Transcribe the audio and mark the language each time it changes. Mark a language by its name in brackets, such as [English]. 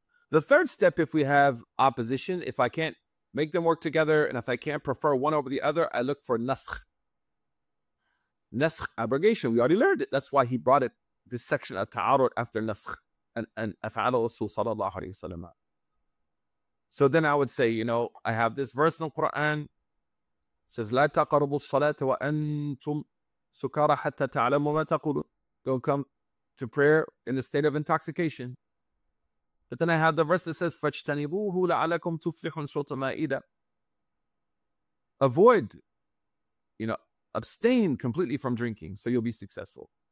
[English] The third step, if we have opposition, if I can't make them work together, and if I can't prefer one over the other, I look for naskh. Naskh, abrogation. We already learned it. That's why he brought it, this section of ta'arud after naskh. [Arabic] And أفعال الرسول صلى الله عليه وسلم. [English] So then I would say, you know, I have this verse in the Quran. It says, [Arabic] لا تقربوا الصلاة وأنتم سكارى حتى تعلموا ما تقولون. [English] Don't come to prayer in a state of intoxication. But then I have the verse that says, [Arabic] فاجتنبوه لعلكم تفلحون سورة المائدة. [English] Avoid, you know, abstain completely from drinking, so you'll be successful.